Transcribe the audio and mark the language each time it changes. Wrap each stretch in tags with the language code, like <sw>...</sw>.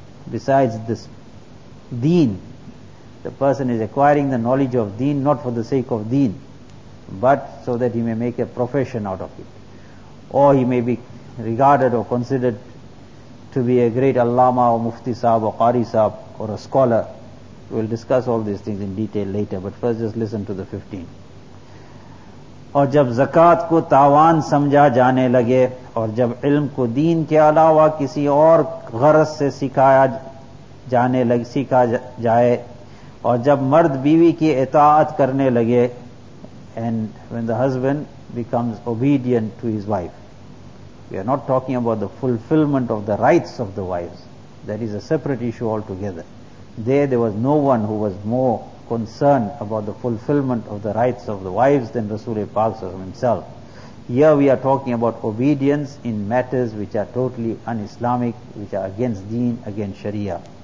<en>besides this deen, the person is acquiring the knowledge of deen not for the sake of deen, but so that he may make a profession out of it, or he may be regarded or considered to be a great allama or mufti sahab or qari sahab or a scholar. We'll discuss all these things in detail later, but first just listen to the 15.</en> <ur>اور جب زکاة کو تاوان سمجھا جانے لگے, اور جب علم کو دین کے علاوہ کسی اور غرض سے سکھایا جانے لگے, سکھا جائے, اور جب مرد بیوی کی اطاعت کرنے لگے,</ur> <en>and when the husband becomes obedient to his wife, we are not talking about the fulfillment of the rights of the wives, that is a separate issue altogether. There was no one who was more concern about the fulfillment of the rights of the wives than Rasulullah Pak Sallam himself. Here we are talking about obedience in matters which are totally un-Islamic, which are against deen, against Sharia.</en>